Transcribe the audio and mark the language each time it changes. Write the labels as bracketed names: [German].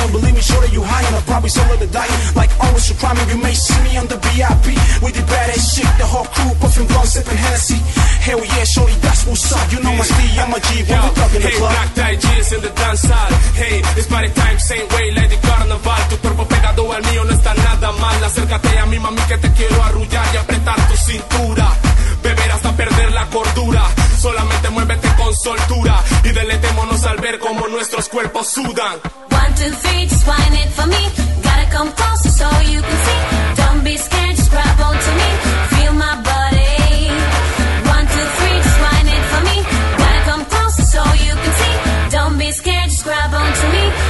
[English] Don't believe me, show that you're high. And I'll probably solo the dying. Like always, you're priming. You may see me on the VIP. We did badass shit. The whole crew puffing blunt, sipping Hennessy. Hell yeah, shorty, that's what's up. You know my Steve, I'm a G. When we talk in the club. Hey, Black Tie Jeans in the dance hall. Hey, it's party time, same way. Lady Carnaval. [Spanish] Tu cuerpo pegado al mío, no está nada mal. Acércate a mi mami que te quiero arrullar y apretar tu cintura. Beber hasta perder la cordura. Solamente muévete con soltura y deleitémonos al ver cómo nuestros cuerpos sudan. [English] One, two, three, just whine it for me. Gotta come closer so you can see. Don't be scared, just grab onto me. Feel my body. One, two, three, just whine it for me. Gotta come closer so you can see. Don't be scared, just grab onto me.